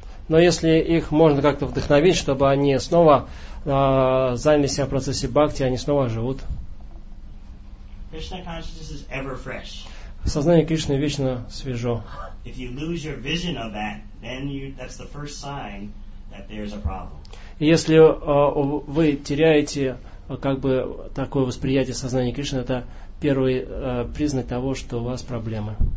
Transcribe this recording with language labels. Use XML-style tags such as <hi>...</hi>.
<ru>Но если их можно как-то вдохновить, чтобы они снова заняли себя в процессе бхакти, они снова живут.</ru> <en>Krishna consciousness is ever fresh.</en> <ru>Сознание Кришны вечно свежо.</ru> <en>If you lose your vision of that, then that's the first sign that there's a problem.</en> <ru>Если вы теряете как бы такое восприятие сознания Кришны, это первый признак того, что у вас проблемы.</ru>